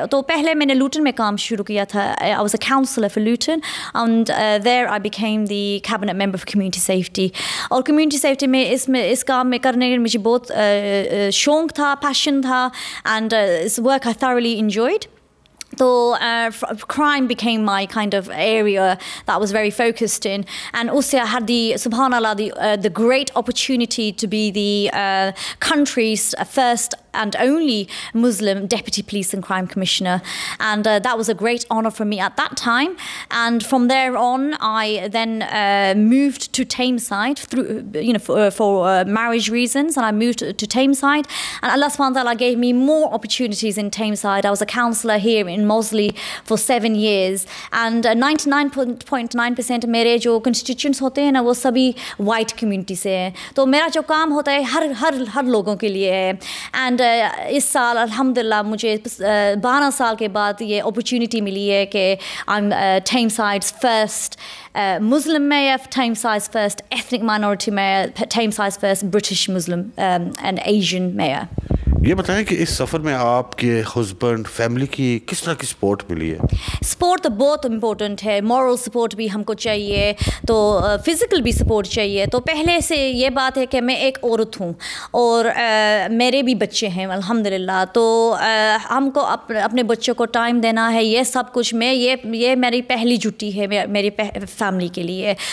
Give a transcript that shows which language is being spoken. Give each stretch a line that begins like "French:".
Hindi: तो पहले मैंने लूटन में काम शुरू किया था,
English: I was a councillor for Luton and there I became the cabinet member for community safety.
Hindi: और कम्युनिटी सेफ्टी में इस काम में करने में मुझे बहुत शौक था, पैशन था,
English: And इस work I thoroughly enjoyed. So crime became my kind of area that I was very focused in, and also I had the subhanallah the great opportunity to be the country's first and only Muslim deputy police and crime commissioner, and that was a great honor for me at that time. And from there on I then moved to Tameside through marriage reasons, and I moved to Tameside, and Allah subhanahu wa ta'ala gave me more opportunities in Tameside. I was a counselor here in Mosley for 7 years, and
Hindi: 99.9% mere jo constituents hote hain na wo sabhi white community se hain, to mera jo kaam hota hai har logon ke liye hai, and इस साल अल्हम्दुलिल्लाह मुझे 12 साल के बाद ये opportunity मिली है कि
English: I am Tameside's first Muslim mayor, Tameside's first ethnic minority mayor, Tameside's first British Muslim and Asian mayor.
Hindi: ये बताएं कि इस सफ़र में आपके हस्बैंड, फैमिली की किस तरह की सपोर्ट मिली है? सपोर्ट तो बहुत इम्पोर्टेंट है, मॉरल सपोर्ट भी हमको चाहिए, तो फिज़िकल भी सपोर्ट चाहिए। तो पहले से ये बात है कि मैं एक औरत हूँ और मेरे भी बच्चे हैं अल्हम्दुलिल्लाह, तो हमको अपने बच्चों को टाइम देना है, ये सब कुछ मैं ये मेरी पहली ड्यूटी है मेरी फैमिली के लिए।